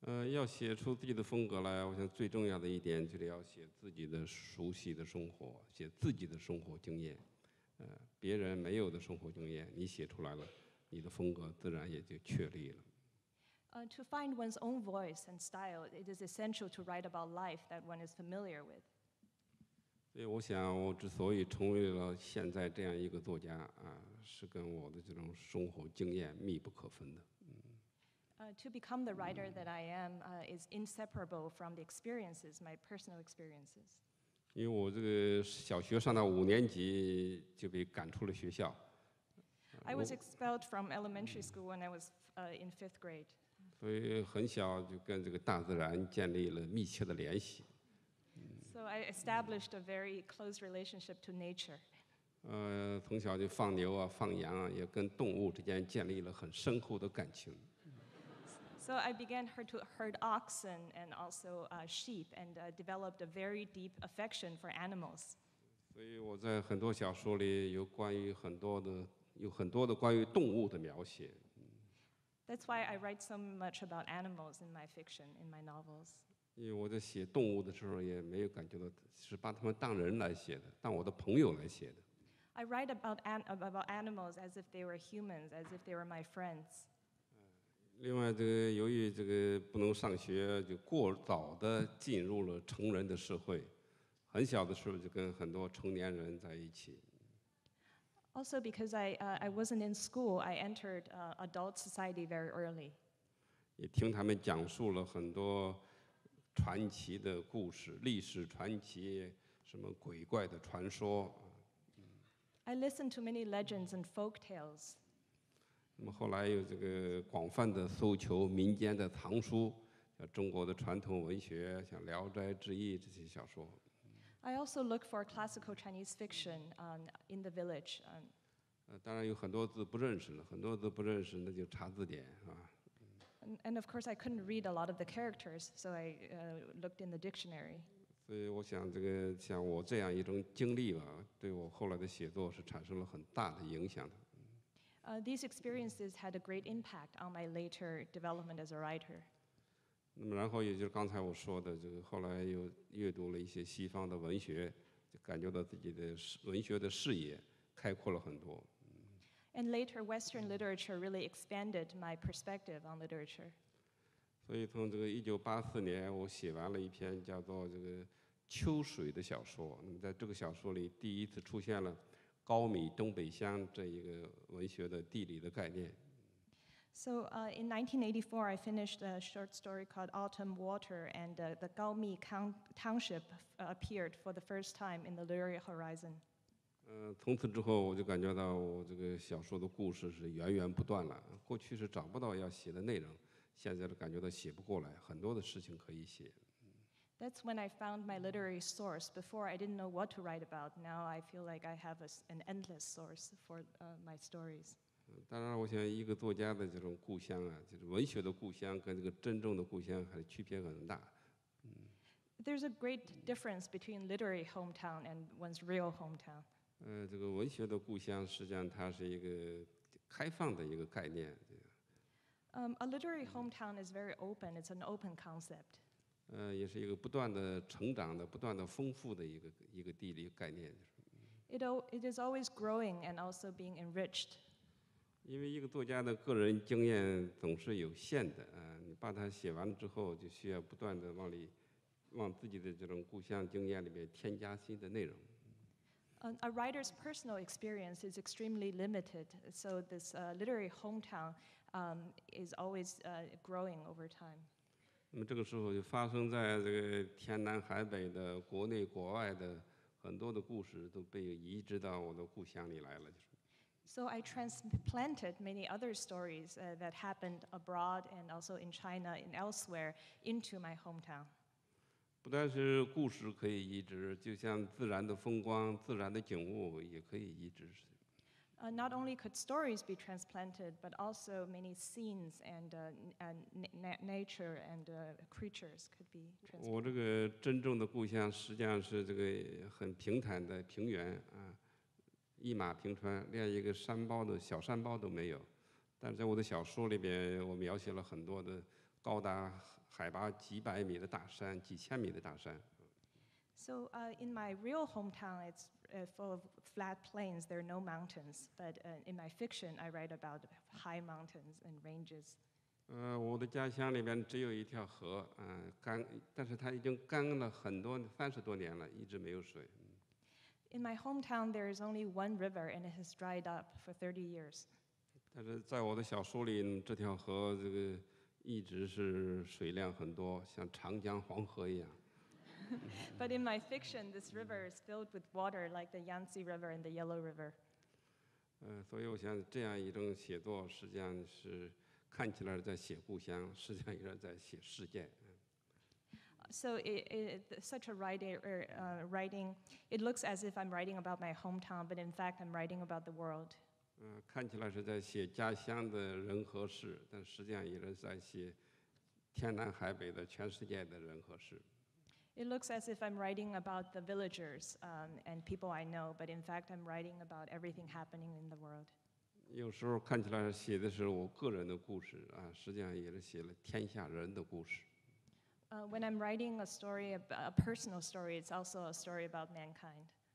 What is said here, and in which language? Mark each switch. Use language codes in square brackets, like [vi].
[zh] 要写出自己的风格来，我想最重要的一点就是要写自己的熟悉的生活，写自己的生活经验。别人没有的生活经验，你写出来了，你的风格自然也就确立了。 [en] To find one's own voice and style, it is essential to write about life that one is familiar with. [zh] 所以我想，我之所以成为了现在这样一个作家啊，是跟我的这种生活经验密不可分的。 [en] To become the writer that I am is inseparable from the experiences, my personal experiences. [zh] 因为我这个小学上到五年级就被赶出了学校。 [en] I was expelled from elementary school when I was in fifth grade. [zh] 所以很小就跟这个大自然建立了密切的联系。 [en] So I established a very close relationship to nature. [zh] 从小就放牛啊，放羊啊，也跟动物之间建立了很深厚的感情。 [en] So I began to herd oxen and also sheep and developed a very deep affection for animals. [zh] 所以我在很多小说里有关于很多的，有很多的关于动物的描写。 [en] That's why I write so much about animals in my fiction, in my novels. [zh] 因为我在写动物的时候也没有感觉到是把他们当人来写的，当我的朋友来写的。 [en] I write about animals as if they were humans, as if they were my friends. [zh] 另外，这个由于这个不能上学，就过早的进入了成人的社会，很小的时候就跟很多成年人在一起。 [en] Also because I wasn't in school, I entered adult society very early. [zh] 也听他们讲述了很多传奇的故事，历史传奇，什么鬼怪的传说。 [en] I listened to many legends and folk tales. [zh] 那么后来有这个广泛的搜求民间的藏书，像中国的传统文学，像《聊斋志异》这些小说。 [en] I also look for classical Chinese fiction in the village. [zh] 当然有很多字不认识了，很多字不认识，那就查字典啊。 [en] And of course, I couldn't read a lot of the characters, so I looked in the dictionary. [zh] 所以我想，这个像我这样一种经历吧，对我后来的写作是产生了很大的影响的。 [en] These experiences had a great impact on my later development as a writer. [zh] 那么，然后也就是刚才我说的，这个后来又阅读了一些西方的文学，就感觉到自己的文学的视野开阔了很多。 [en] And later, Western literature really expanded my perspective on literature. [zh] 所以从这个1984年，我写完了一篇叫做这个《秋水》的小说。那么在这个小说里，第一次出现了高米东北乡这一个文学的地理的概念。 [en] So in 1984, I finished a short story called Autumn Water, and the Gaomi Township appeared for the first time in the literary horizon. [zh] 从此之后我就感觉到我这个小说的故事是源源不断了，过去是找不到要写的内容，现在感觉到写不过来，很多的事情可以写。 [en] That's when I found my literary source. Before I didn't know what to write about. Now I feel like I have an endless source for my stories. [zh] 当然我想一个作家的这种故乡啊，就是文学的故乡跟这个真正的故乡还是区别很大。 [en] There's a great difference between literary hometown and one's real hometown. [zh] 这个文学的故乡实际上它是一个开放的一个概念。 [en] A literary hometown is very open. It's an open concept. [zh] 也是一个不断的成长的、不断的丰富的一个地理概念。 [en] It is always growing and also being enriched. [zh] 因为一个作家的个人经验总是有限的，你把它写完之后，就需要不断的往自己的这种故乡经验里面添加新的内容。 [en] A writer's personal experience is extremely limited, so this literary hometown is always growing over time. [zh] 那么这个时候就发生在这个天南海北的国内国外的很多的故事都被移植到我的故乡里来了，就是。 [en] So I transplanted many other stories that happened abroad and also in China and elsewhere into my hometown. [zh] 不但是故事可以移植，就像自然的风光、自然的景物也可以移植。 [en] Not only could stories be transplanted, but also many scenes and nature and creatures could be transplanted. [zh] 我这个真正的故乡实际上是这个很平坦的平原啊，一马平川，连一个山包的小山包都没有。但是在我的小说里边，我描写了很多的高达海拔几百米的大山，几千米的大山。 [en] So in my real hometown, it's full of flat plains. There are no mountains. But in my fiction, I write about high mountains and ranges. [zh] 我的家乡里边只有一条河，干，但是它已经干了很多三十多年了，一直没有水。 [en] In my hometown, there is only one river, and it has dried up for 30 years. [zh] 但是在我的小说里，这条河这个一直是水量很多，像长江黄河一样。 [en] But in my fiction, this river is filled with water, like the Yangtze River and the Yellow River. [zh] 所以我想这样一种写作，实际上是看起来在写故乡，实际上也是在写世界。 [en] So such a writing, it looks as if I'm writing about my hometown, but in fact, I'm writing about the world. [zh] 看起来是在写家乡的人和事，但实际上也是在写天南海北的全世界的人和事。 [en] It looks as if I'm writing about the villagers and people I know, but in fact, I'm writing about everything happening in the world. [zh] 有时候看起来写的是我个人的故事啊，实际上也是写了天下人的故事。 [en] When I'm writing a story, a personal story, it's also a story about mankind.